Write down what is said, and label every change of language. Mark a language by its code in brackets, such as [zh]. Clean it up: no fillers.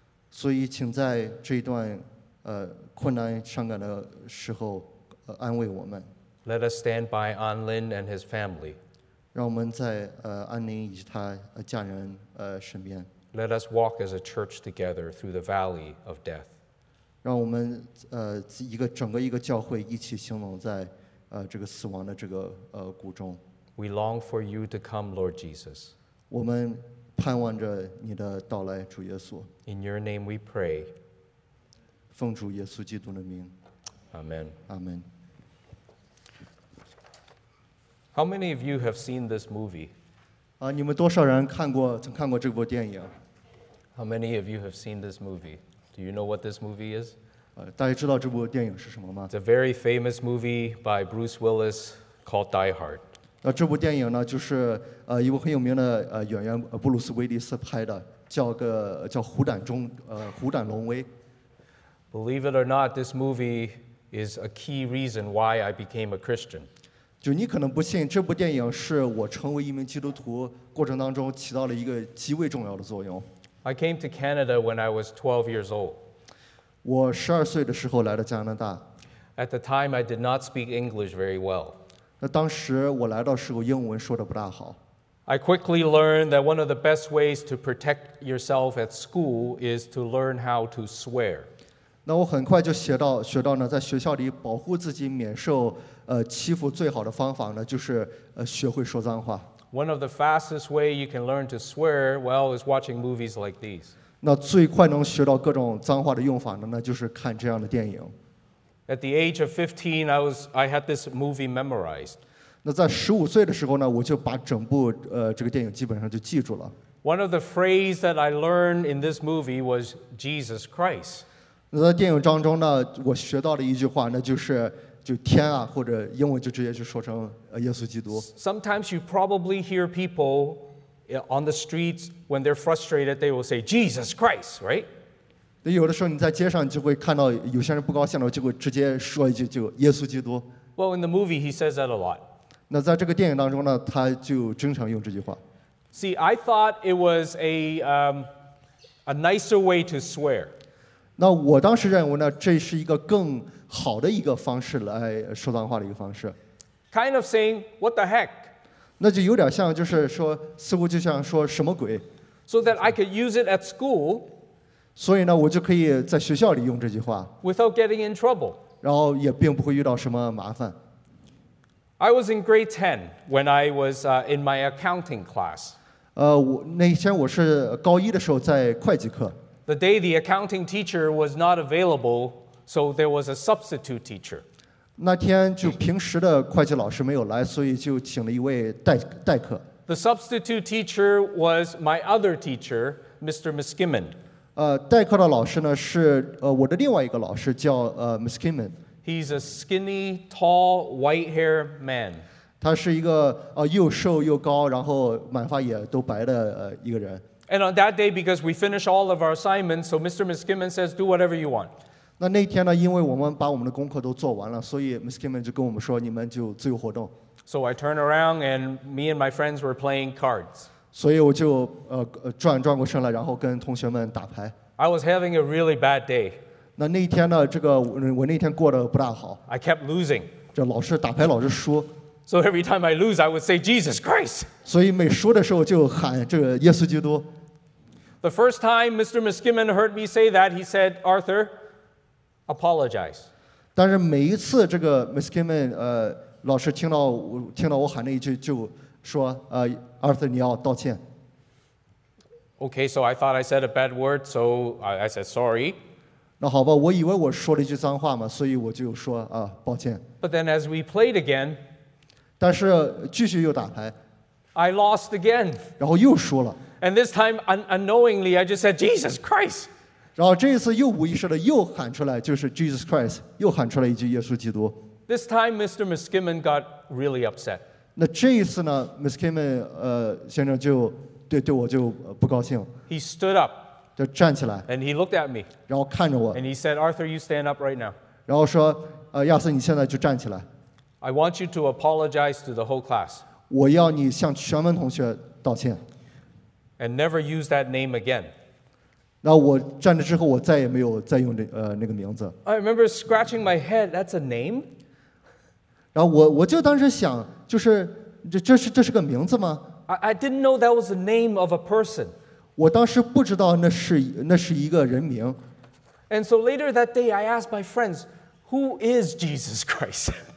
[zh] 所以请在这一段困难伤感的时候安慰我们。 [en] Let us stand by An Lin and his family. [zh] 让我们在安宁以及他家人身边。 [en] Let us walk as a church together through the valley of death. [zh] 让我们整个一个教会一起行走在这个死亡的这个谷中。 [en] We long for you to come, Lord Jesus. [zh] 我们盼望着你的到来，主耶稣。 [en] In your name we pray. [zh] 奉主耶稣基督的名。 [en] Amen. Amen. How many of you have seen this movie? [zh] 你们多少人曾看过这部电影？ [en] How many of you have seen this movie? Do you know what this movie is? [zh] 大家知道这部电影是什么吗？ [en] It's a very famous movie by Bruce Willis called Die Hard. [zh] 这部电影呢，就是一部很有名的演员布鲁斯·威利斯拍的，叫虎胆龙威。 [en] Believe it or not, this movie is a key reason why I became a Christian. [zh] 就你可能不信，这部电影是我成为一名基督徒过程当中起到了一个极为重要的作用。 [en] I came to Canada when I was 12 years old. [zh] 我十二岁的时候来到加拿大。 [en] At the time, I did not speak English very well. [zh] 那当时我来到时候英文说的不大好。 [en] I quickly learned that one of the best ways to protect yourself at school is to learn how to swear. [zh] 那我很快就学到呢，在学校里保护自己免受欺负最好的方法呢，就是学会说脏话。 [en] One of the fastest way you can learn to swear well is watching movies like these. [zh] 那最快能学到各种脏话的用法呢，那就是看这样的电影。 [en] At the age of 15, I had this movie memorized. [zh] 那在15岁的时候呢，我就把整部这个电影基本上就记住了。 [en] One of the phrases that I learned in this movie was Jesus Christ. [zh] 那在电影当中呢，我学到的一句话，那就是。就天啊，或者英文就直接就说成耶稣基督。 [en] Sometimes you probably hear people on the streets when they're frustrated, they will say Jesus Christ, right? [zh] 有的时候你在街上就会看到有些人不高兴了，就会直接说一句就耶稣基督。 [en] Well, in the movie, he says that a lot. [zh] 那在这个电影当中呢，他就经常用这句话。 [en] See, I thought it was a nicer way to swear. [zh] 那我当时认为呢，这是一个更好的一个方式来说脏话的一个方式。 [en] Kind of saying, what the heck? [zh] 那就有点像就是说，似乎就像说什么鬼。 [en] So that I could use it at school. [zh] 所以呢，我就可以在学校里用这句话。 [en] Without getting in trouble. [zh] 然后也并不会遇到什么麻烦。 [en] I was in grade 10 when I was in my accounting class. [zh] 那天我是高一的时候在会计课。 [en] The day the accounting teacher was not available, so there was a substitute teacher. [zh] 那天就平时的会计老师没有来，所以就请了一位代课。 [en] The substitute teacher was my other teacher, Mr. Miskimmon. [zh] 代课的老师呢是我的另外一个老师叫Miskimmon. [en] He's a skinny, tall, white-haired man. [zh] 他是一个又瘦又高，然后满发也都白的一个人。 [en] And on that day, because we finish all of our assignments, so Mr. Miskimmon says, "Do whatever you want." [zh] 那天呢，因为我们把我们的功课都做完了，所以 Miskimmon 就跟我们说，你们就自由活动。 [en] So I turn around, and me and my friends were playing cards. [zh] 所以我就转过身来，然后跟同学们打牌。 [en] I was having a really bad day. [zh] 那天呢，这个我那天过得不大好。 [en] I kept losing. [zh] 这老是打牌，老是输。 [en] So every time I lose, I would say, "Jesus Christ." [zh] 所以每输的时候就喊这个耶稣基督。 [en] The first time Mr. Miskimmon heard me say that, he said, "Arthur, apologize." [zh] 但是每一次这个 Miskimmon 老师听到我喊那一句，就说Arthur, 你要道歉。 [en] Okay, so I thought I said a bad word, so I said sorry. [zh] 那好吧，我以为我说了一句脏话嘛，所以我就说抱歉。 [en] But then as we played again. [zh] 但是继续又打牌 [en] I lost again. [zh] 然后又输了 [en] And this time, unknowingly, I just said, "Jesus Christ." [zh] 然后这一次又无意识的又喊出来，就是 "Jesus Christ." 又喊出来一句耶稣基督 [en] This time, Mr. Miskimmon got really upset. [zh] 那这一次呢 ，Miskimmon 先生就对我就不高兴 [en] He stood up. [zh] 就站起来 [en] And he looked at me. [zh] 然后看着我 [en] And he said, "Arthur, you stand up right now." [zh] 然后说，亚瑟，你现在就站起来。 [en] I want you to apologize to the whole class. [zh] 我要你向全班同学道歉。 [en] And never use that name again. [zh] 那我站着之后，我再也没有再用那个名字。 [en] I remember scratching my head. That's a name. [zh] 然后我就当时想，就是这是个名字吗 [en] ？I didn't know that was the name of a person. [zh] 我当时不知道那是一个人名。 [en] And so later that day, I asked my friends, "Who is Jesus Christ?"